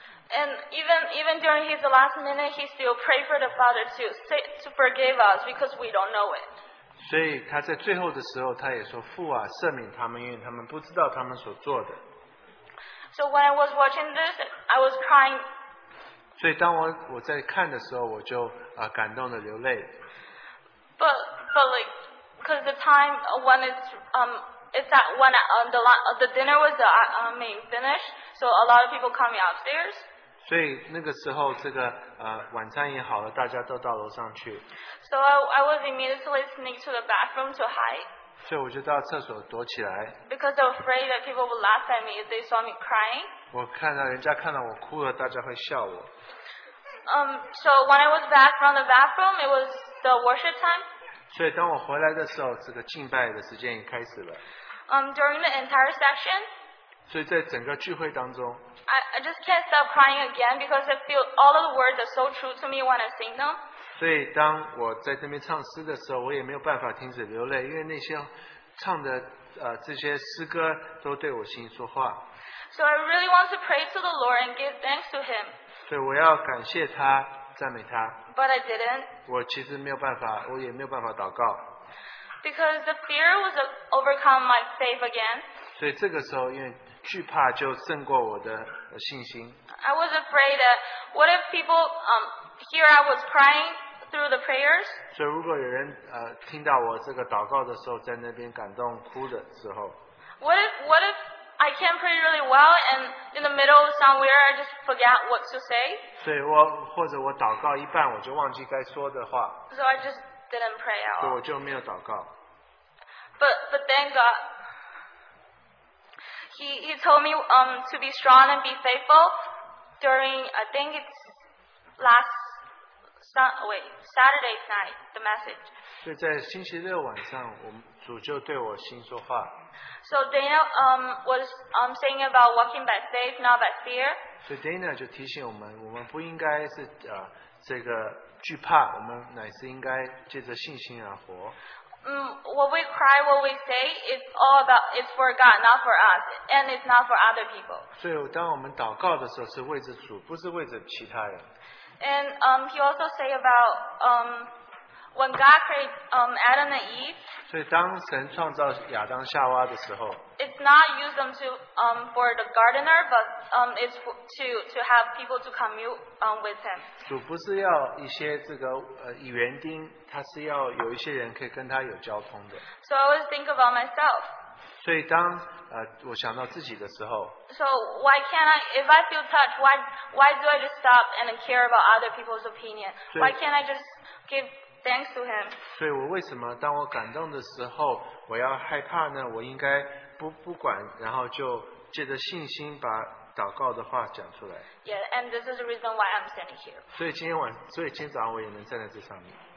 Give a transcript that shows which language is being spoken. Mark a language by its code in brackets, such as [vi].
[en] And even during his last minute, he still prayed for the Father to forgive us because we don't know it. [zh] 所以他在最后的时候，他也说：“父啊，赦免他们，因为他们不知道他们所做的。” [en] So when I was watching this, I was crying. [zh] 所以当我在看的时候，我就感动的流泪。 [en] But like, because the time when it's that when the dinner was finished, so a lot of people coming upstairs. [zh] 所以那个时候，这个晚餐也好了，大家都到楼上去。 [en] So I was immediately sneak to the bathroom to hide. [zh] 所以我就到厕所躲起来。 [en] Because I was afraid that people would laugh at me if they saw me crying. [zh] 我看到人家看到我哭了，大家会笑我。 [en] So when I was back from the bathroom, it was the worship time. [zh] 所以当我回来的时候，这个敬拜的时间也开始了。 [en] During the entire session. [zh] 所以在整个聚会当中。 [en] I just can't stop crying again because I feel all of the words are so true to me when I sing them. [zh] 所以当我在这边唱诗的时候，我也没有办法停止流泪，因为那些唱的这些诗歌都对我心说话。 [en] So I really want to pray to the Lord and give thanks to Him. [zh] 对, 我要感谢他, 赞美他, [en] but I didn't. [zh] 我其实没有办法, 我也没有办法祷告, [en] because the fear was overcome my faith again. [zh] 对, [en] I was afraid that what if people hear I was crying through the prayers? [zh] 所以如果有人, 听到我这个祷告的时候在那边感动哭的时候, [en] what if I can't pray really well and in the middle of somewhere I just forget what to say? [zh] 所以我祷告一半, [en] so I just didn't pray at all. [zh] 所以我就没有祷告, [en] but thank God. He told me to be strong and be faithful during, I think it's Saturday's night, the message. [zh] 所以在星期六晚上, 主就对我心说话, [en] so Dana was saying about walking by faith, not by fear. So [zh] Dana 就提醒我们, 我们不应该是, 这个惧怕, 我们乃是应该借着信心而活。 [en] What we cry, what we say, it's for God, not for us, and it's not for other people. [zh] 所以当我们祷告的时候, 是为着主, 不是为着其他人。 [en] And he also say about when God created Adam and Eve. [zh] 所以当神创造亚当夏娃的时候, [en] it's not use them to for the gardener, but it's to have people to commute with him. [zh] 主不是要一些这个园丁, 他是要有一些人可以跟他有交通的。 [en] So I always think about myself. [zh] 所以当 我想到自己的时候, [en] so why can't I, if I feel touched, why do I just stop and care about other people's opinion? Why can't I just give thanks to him? [zh] 所以我为什么当我感动的时候, 我要害怕呢? 我应该不管, 然后就借着信心把祷告的话讲出来。 [en] Yeah, and this is the reason why I'm standing here. [zh] 所以今天早上我也能站在这上面。